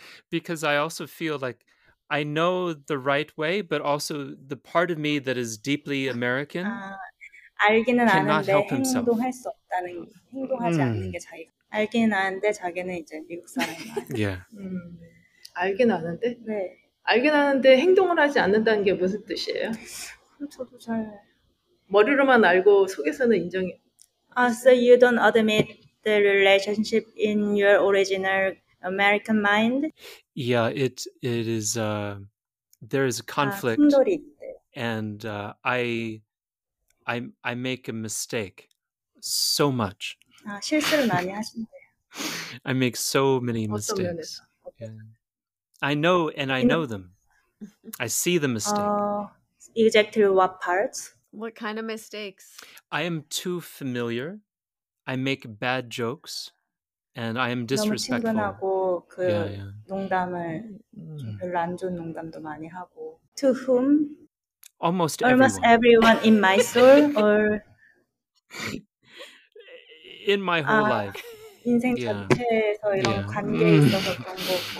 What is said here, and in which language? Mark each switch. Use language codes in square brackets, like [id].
[en] Because I also feel like I know the right way, but also the part of me that is deeply American cannot help himself. [ko] 행동할 수 없다는 행동하지 않는 게 자기 알기는 아는데 자기는 이제 미국 사람이야. [en] Yeah. [ko] 알긴 아는데? 네. 알긴 아는데 행동을 하지 않는다는 게 무슨 뜻이에요? 저도 잘 머리로만 알고 속에서는 인정이. [en] So you don't admit the relationship in your original American mind? Yeah, it is. There is a conflict, and I make a mistake so much. [ko] 아 실수를 많이 하신대요. [en] I make so many mistakes. I know, and I know them. I see the mistake. Exactly what parts? What kind of mistakes? I am too familiar. I make bad jokes, and I am disrespectful. [ko] 너무 친근하고 그 농담을 별로 안 좋은 농담도 많이 하고. [en] To whom? Almost everyone in my soul or in my whole life. [ko] 인생 전체에서 이런 관계에 있어서 그런 거.